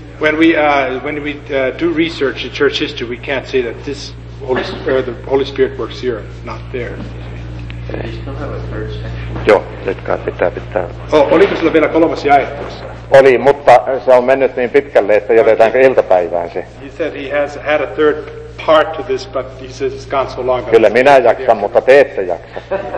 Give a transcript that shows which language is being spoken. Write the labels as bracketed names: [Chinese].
[English] When we do research in church history, we can't say that this the Holy Spirit works here, not there. [Finnish] Joo, nyt kai pitää. Oliko sulla vielä kolmas jae tuossa? Oli, mutta se on mennyt niin pitkälle, että jätetäänkö iltapäivään se. [English] He said he has had a third part to this, but he says it's gone so long. [Finnish] Kyllä minä jaksan, mutta te ette jaksa.